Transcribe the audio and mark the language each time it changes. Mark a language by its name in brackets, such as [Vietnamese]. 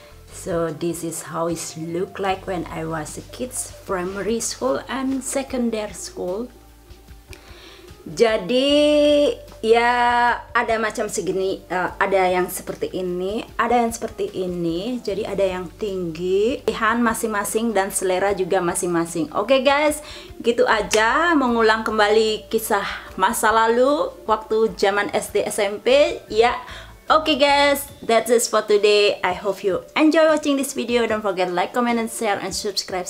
[English] So this is how it look like when I was a kids, primary school and secondary school. [Indonesian] Jadi ya ada macam segini, ada yang seperti ini, ada yang seperti ini. Jadi ada yang tinggi, pilihan masing-masing dan selera juga masing-masing. Oke guys, gitu aja, mengulang kembali kisah masa lalu waktu zaman SD SMP ya. [English] Oke guys, that's it for today. I hope you enjoy watching this video. Don't forget like, comment, and share, and subscribe.